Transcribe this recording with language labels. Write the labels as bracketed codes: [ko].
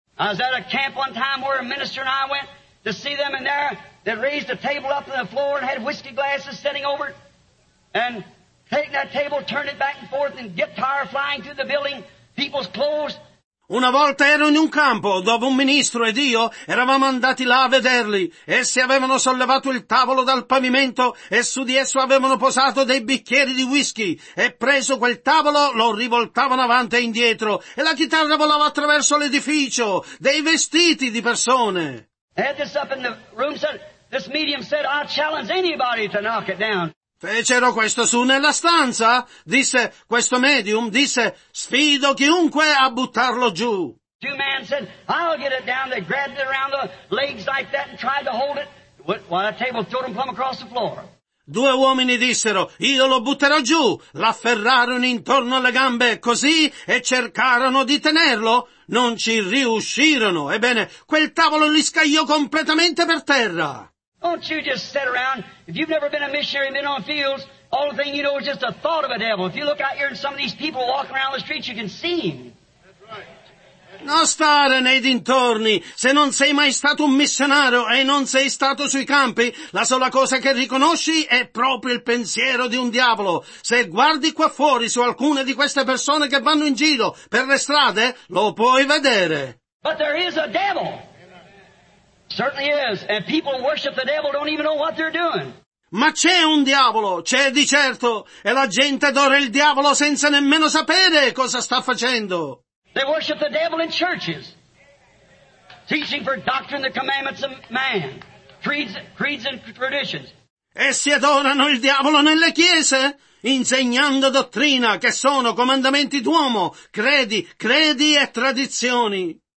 [en] I was at a camp one time where a minister and I went to see them in there. They raised a table up on the floor and had whiskey glasses sitting over it. And taking that table, turn it back and forth, and guitar flying through the building, people's clothes. [it] Una volta ero in un campo dove un ministro ed io eravamo andati là a vederli. Essi avevano sollevato il tavolo dal pavimento e su di esso avevano posato dei bicchieri di whisky. E preso quel tavolo lo rivoltavano avanti e indietro. E la chitarra volava attraverso l'edificio, dei vestiti di persone. [en] Had this up in the room, this medium said, I challenge anybody to knock it down. [it] Fecero questo su nella stanza, disse questo medium, disse, sfido chiunque a buttarlo giù. [en] Two men said, I'll get it down. They grabbed it around the legs like that and tried to hold it. While the table threw them plumb across the floor. [it] Due uomini dissero, io lo butterò giù. L'afferrarono intorno alle gambe così e cercarono di tenerlo. Non ci riuscirono. Ebbene, quel tavolo li scagliò completamente per terra. [en] Don't you just sit around. If you've never been a missionary and been on fields, all the thing you know is just a thought of a devil. If you look out here and some of these people walking around the streets, you can see him. [it] Non stare nei dintorni. Se non sei mai stato un missionario e non sei stato sui campi, la sola cosa che riconosci è proprio il pensiero di un diavolo. Se guardi qua fuori su alcune di queste persone che vanno in giro per le strade, lo puoi vedere. [en] But there is a devil. Certainly is. And people worship the devil don't even know what they're doing. [it] Ma c'è un diavolo, c'è di certo, e la gente adora il diavolo senza nemmeno sapere cosa sta facendo. [en] They worship the devil in churches, teaching for doctrine the commandments of man, creeds and traditions. [it] Essi adorano il diavolo nelle chiese, insegnando dottrina che sono comandamenti d'uomo, credi e tradizioni.